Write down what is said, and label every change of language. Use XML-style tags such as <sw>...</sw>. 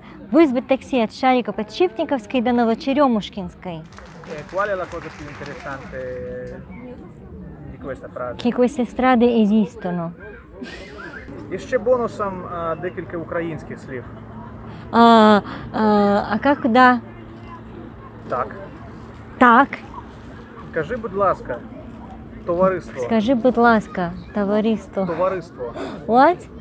<ru>Вызвать такси от шарика Подшипниковской до Новочеремушкинской.</ru> <it>Qual è la cosa più interessante di questa frase? Che queste strade esistono.</it> <uk>E ще бонусом декілька українських слів. А як да? Так. Так. Скажи, будь ласка, товариство. Товариство.</uk> <en>What?</en>